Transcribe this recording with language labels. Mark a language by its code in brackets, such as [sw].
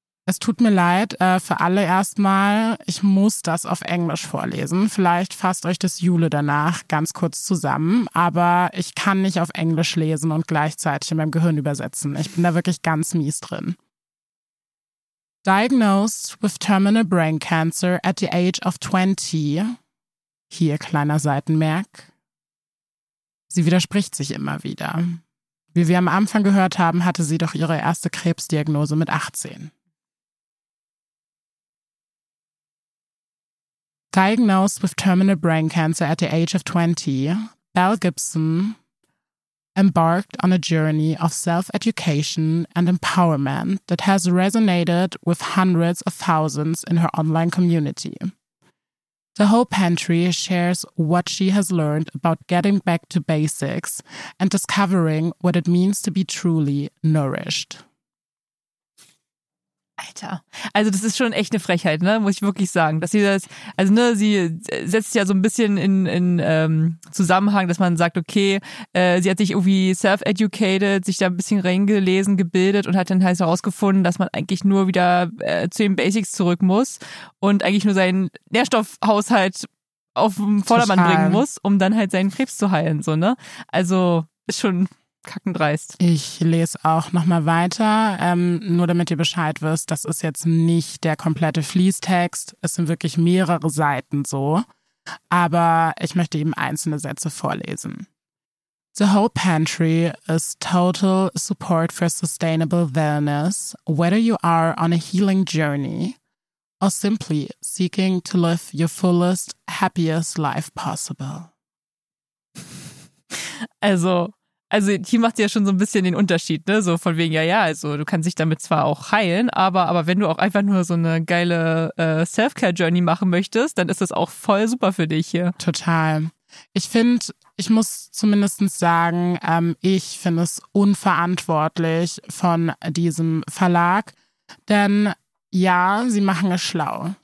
[de] Es tut mir leid, für alle erstmal. Ich muss das auf Englisch vorlesen. Vielleicht fasst euch das Jule danach ganz kurz zusammen. Aber ich kann nicht auf Englisch lesen und gleichzeitig in meinem Gehirn übersetzen. Ich bin da wirklich ganz mies drin. [en] Diagnosed with terminal brain cancer at the age of 20. [de] Hier kleiner Seitenmerk. Sie widerspricht sich immer wieder. Wie wir am Anfang gehört haben, hatte sie doch ihre erste Krebsdiagnose mit 18. [en] Diagnosed with terminal brain cancer at the age of 20, Belle Gibson embarked on a journey of self-education and empowerment that has resonated with hundreds of thousands in her online community. The Hope Pantry shares what she has learned about getting back to basics and discovering what it means to be truly nourished. [de] Alter, also das ist schon echt eine Frechheit, ne? Muss ich wirklich sagen, dass sie das, also ne, sie setzt ja so ein bisschen in Zusammenhang, dass man sagt, okay, sie hat sich irgendwie self-educated, sich da ein bisschen reingelesen, gebildet und hat dann halt herausgefunden, dass man eigentlich nur wieder zu den Basics zurück muss und eigentlich nur seinen Nährstoffhaushalt auf den Vordermann bringen muss, um dann halt seinen Krebs zu heilen, so, ne? Also ist schon kackendreist. Ich lese auch nochmal weiter, nur damit ihr Bescheid wisst, das ist jetzt nicht der komplette Fließtext, es sind wirklich mehrere Seiten so, aber ich möchte eben einzelne Sätze vorlesen. [en] The Hope Pantry is total support for sustainable wellness, whether you are on a healing journey or simply seeking to live your fullest, happiest life possible. [de] Also hier macht sie ja schon so ein bisschen den Unterschied, ne? So von wegen, ja, also du kannst dich damit zwar auch heilen, aber wenn du auch einfach nur so eine geile Self-Care-Journey machen möchtest, dann ist das auch voll super für dich hier. Total. Ich finde, ich muss zumindest sagen, ich finde es unverantwortlich von diesem Verlag, denn ja, sie machen es schlau.